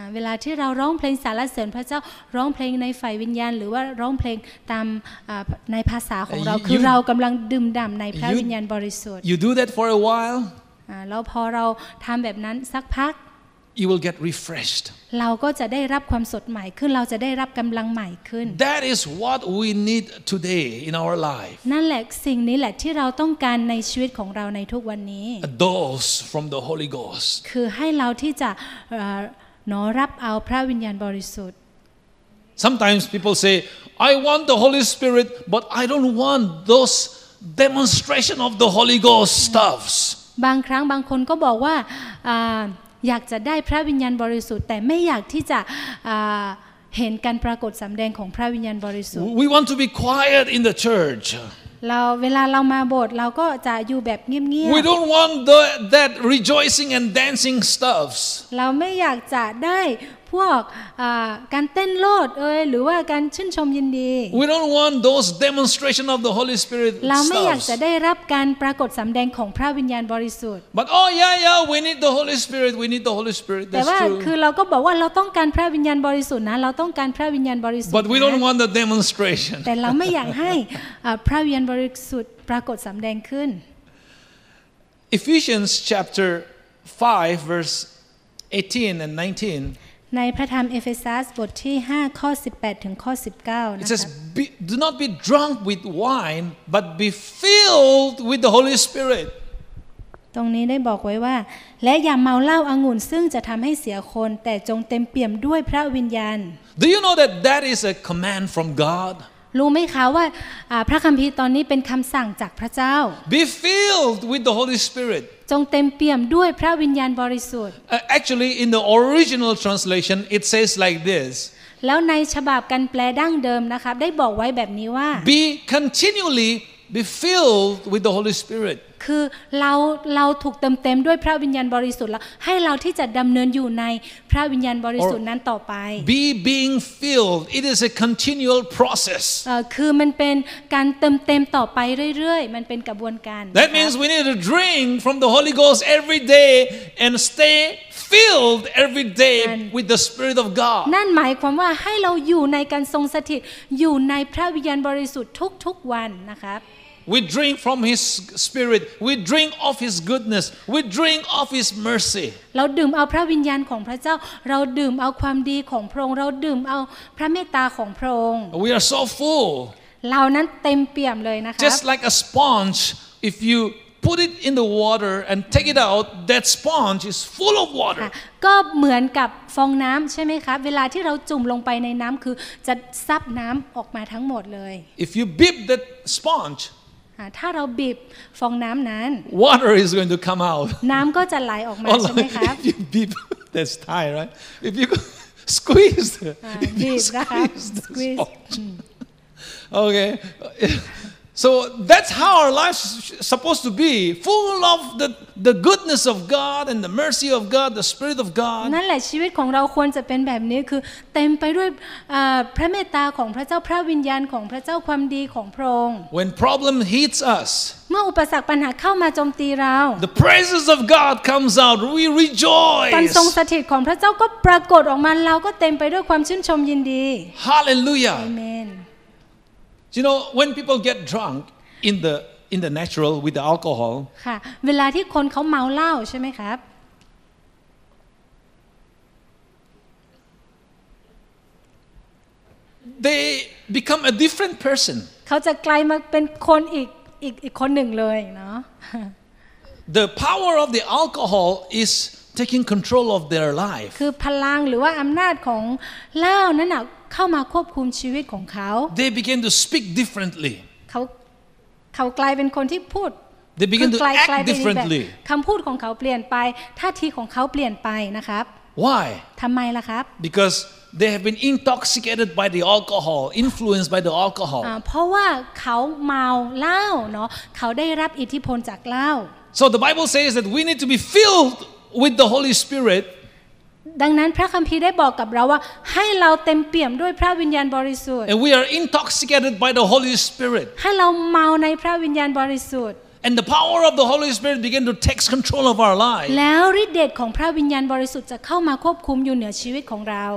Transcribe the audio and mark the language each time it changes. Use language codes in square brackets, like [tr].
[th] เวลาที่เราร้องเพลงสรรเสริญพระเจ้าร้องเพลงในฝ่ายวิญญาณหรือว่าร้องเพลงตามในภาษาของเราคือเรากำลังดื่มด่ำในพระวิญญาณบริสุทธิ์ [en] You do that for a while. [th] แล้วพอเราทำแบบนั้นสักพัก [en] You will get refreshed. [th] เราก็จะได้รับความสดใหม่ขึ้นเราจะได้รับกำลังใหม่ขึ้น [en] That is what we need today in our life. [th] นั่นแหละสิ่งนี้แหละที่เราต้องการในชีวิตของเราในทุกวันนี้ [en] A dose from the Holy Ghost. [th] คือให้เราที่จะรับเอาพระวิญญาณบริสุทธิ์ [en] Sometimes people say, "I want the Holy Spirit, but I don't want those demonstration of the Holy Ghost stuffs." [th] บางครั้งบางคนก็บอกว่าอยากจะได้พระวิญญาณบริสุทธิ์แต่ไม่อยากที่จะเห็นการปรากฏสำแดงของพระวิญญาณบริสุทธิ์ [en] We want to be quiet in the church [th] เราเวลาเรามาโบสถ์เราก็จะอยู่แบบเงียบ [en] ๆ We don't want that rejoicing and dancing stuffs [th] เราไม่อยากจะได้พวกการเต้นโลดเอ่ยหรือว่าการชื่นชมยินดี [en] We don't want those demonstration of the Holy Spirit [th] เราไม่อยากจะได้รับการปรากฏสำแดงของพระวิญญาณบริสุทธิ์ [en] But oh yeah we need the Holy Spirit we need the Holy Spirit That's true [th] แต่ว่าคือเราก็บอกว่าเราต้องการพระวิญญาณบริสุทธิ์นะเราต้องการพระวิญญาณบริสุทธิ์ [en] But we don't want the demonstration [th] แต่เราไม่อยากให้พระวิญญาณบริสุทธิ์ปรากฏสำแดงขึ้น [en] Ephesians chapter 5 verse 18 and 19 [th] ในพระธรรมเอเฟซัสบทที่5ข้อ18ถึงข้อ19นะคะ [en] It says do not be drunk with wine but be filled with the Holy Spirit [th] ตรงนี้ได้บอกไว้ว่าและอย่าเมาเหล้าองุ่นซึ่งจะทำให้เสียคนแต่จงเต็มเปี่ยมด้วยพระวิญญาณ [en] Do you know that is a command from God [th] รู้ไหมคะว่าพระคัมภีร์ตอนนี้เป็นคำสั่งจากพระเจ้า [en] Be filled with the Holy Spirit [th] จงเต็มเปี่ยมด้วยพระวิญญาณบริสุทธิ์ [en] Actually in the original translation it says like this [th] แล้วในฉบับการแปลดั้งเดิมนะครับได้บอกไว้แบบนี้ว่า [en] Be continually be filled with the Holy Spirit [th] คือเราถูกเต็มๆด้วยพระวิญญาณบริสุทธิ์แล้วให้เราที่จะดำเนินอยู่ในพระวิญญาณบริสุทธิ์นั้นต่อไป [en] Be being filled it is a continual process [th] คือมันเป็นการเติมเต็มต่อไปเรื่อยๆมันเป็นกระบวนการ [en] That means we need to drink from the Holy Ghost every day and stay filled every day with the Spirit of God [th] นั่นหมายความว่าให้เราอยู่ในการทรงสถิตอยู่ในพระวิญญาณบริสุทธิ์ทุกๆวันนะครับ [en] We drink from His Spirit. We drink of His goodness. We drink of His mercy. [th] เราดื่มเอาพระวิญญาณของพระเจ้าเราดื่มเอาความดีของพระองค์เราดื่มเอาพระเมตตาของพระองค์ [en] We are so full. [th] เรานั้นเต็มเปี่ยมเลยนะคะ [en] Just like a sponge, if you put it in the water and take it out, that sponge is full of water. [th] ก็เหมือนกับฟองน้ำใช่ไหมครับเวลาที่เราจุ่มลงไปในน้ำคือจะซับน้ำออกมาทั้งหมดเลย [en] If you bib that sponge [th] ถ้าเราบีบฟองน้ำนั้น [en] water is going to come out [th] น้ำก็จะไหลออกมาใช่ไหมครับ [en] if you beep that's Thai right if you squeeze the, if you squeeze the sponge okay so that's how our life is supposed to be full of the goodness of God and the mercy of God the spirit of God [th] นั่นแหละชีวิตของเราควรจะเป็นแบบนี้คือเต็มไปด้วยพระเมตตาของพระเจ้าพระวิญญาณของพระเจ้าความดีของพระองค์ [en] when problem hits us [th] เมื่ออุปสรรคปัญหาเข้ามาโจมตีเรา [en] the praises of God comes out we rejoice [th] การทรงสถิตของพระเจ้าก็ปรากฏออกมาเราก็เต็มไปด้วยความชื่นชมยินดี [en] hallelujah amen You know when people get drunk in the natural with the alcohol [th] ค่ะเวลาที่คนเขาเมาเหล้าใช่ไหมครับ [en] they become a different person [th] เขาจะกลายมาเป็นคนอีกคนหนึ่งเลยเนาะ [en] the power of the alcohol is taking control of their life [th] คือพลังหรือว่าอำนาจของเหล้านั่นน่ะเข้ามาควบคุมชีวิตของเขา [en] They begin to speak differently [th] เขากลายเป็นคนที่พูด [en] They begin to act differently [th] คำพูดของเขาเปลี่ยนไปท่าทีของเขาเปลี่ยนไปนะครับ [en] Why [th] ทำไมล่ะครับ [en] Because they have been intoxicated by the alcohol influenced by the alcohol [th] เพราะว่าเขาเมาเหล้าเนาะเขาได้รับอิทธิพลจากเหล้า [en] So the Bible says that we need to be filled with the Holy Spirit [th] ดังนั้นพระคัมภีร์ได้บอกกับเราว่าให้เราเต็มเปี่ยมด้วยพระวิญญาณบริสุทธิ์ [en] And we are intoxicated by the Holy Spirit [th] ให้เราเมาในพระวิญญาณบริสุทธิ์ [en] And the power of the Holy Spirit begin to take control of our lives [th] แล้วฤทธิ์เดชของพระวิญญาณบริสุทธิ์จะเข้ามาควบคุมอยู่เหนือชีวิตของเรา